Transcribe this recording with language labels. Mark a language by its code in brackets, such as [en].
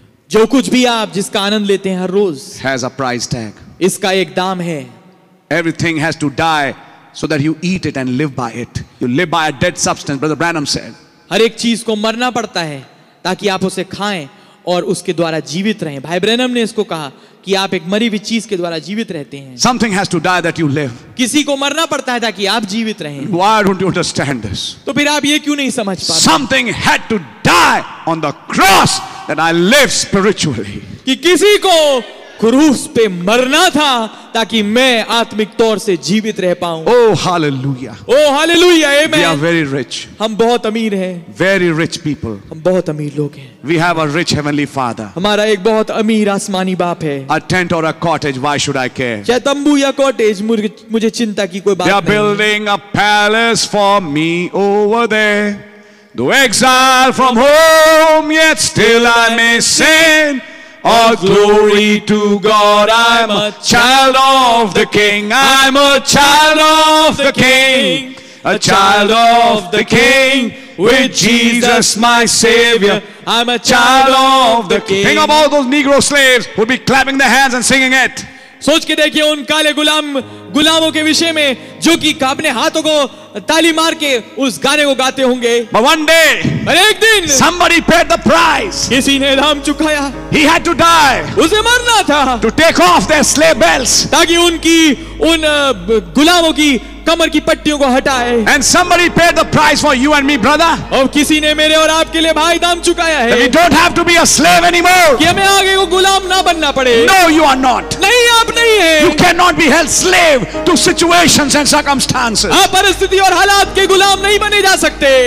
[hi] जो कुछ भी आप जिसका आनंद लेते हैं हर रोज, [en] has a price tag. [hi] इसका एक दाम है। [en] Everything has to die so that you eat it and live by it. You live by a dead substance, Brother Branham said. [hi] हर एक चीज को मरना पड़ता है ताकि आप उसे खाएं और उसके द्वारा जीवित रहें। भाई ब्रैनम ने इसको कहा कि आप एक मरी हुई चीज के द्वारा जीवित रहते हैं। [en] Something has to die that you live. [hi] किसी को मरना पड़ता है ताकि आप जीवित रहें। [en] Why don't you understand this? [hi] तो फिर आप ये क्यों नहीं समझ पाते? [en] Something had to die on the cross. That I live spiritually. [hi] कि किसी को क्रूस पे मरना था ताकि मैं आत्मिक तौर से जीवित रह पाऊं। [en] Oh hallelujah. Oh hallelujah. Amen. We are very rich. [hi] हम बहुत अमीर हैं। [en] Very rich people. [hi] हम बहुत अमीर लोग हैं। [en] We have a rich heavenly father. [hi] हमारा एक बहुत अमीर आसमानी बाप है। [en] A tent or a cottage, why should I care? [hi] चाहे तंबू या कॉटेज, मुझे चिंता की कोई बात नहीं। [en] They are building a palace for me over there. Though exiled from home, yet still I may sing all glory to God. I'm a child of the King. I'm a child of the King. A child of the King. With Jesus my Savior, I'm a child of the King. Think of all those Negro slaves who would be clapping their hands and singing it. [hi] सोच के देखिए उन काले गुलामों के विषय में जो कि अपने हाथों को ताली मार के उस गाने को गाते होंगे। [en] But one day, [hi] और एक दिन, [en] somebody paid the price. [hi] किसी ने दाम चुकाया। [en] He had to die. [hi] उसे मरना था। [en] To take off their slave belts. [hi] ताकि उनकी उन गुलामों की कमर की पट्टियों को हटाए। [en] And somebody paid the price for you and me, brother. [hi] और किसी ने मेरे और आपके लिए भाई दाम चुकाया है। [en] That we don't have to be a slave anymore. [hi] कि हमें आगे को गुलाम ना बनना पड़े। [en] No, you are not. [hi] नहीं, आप नहीं हैं। [en] You cannot be held slave to situations and circumstances. [hi] आप परिस्थिति और हालात के गुलाम नहीं बने जा सकते।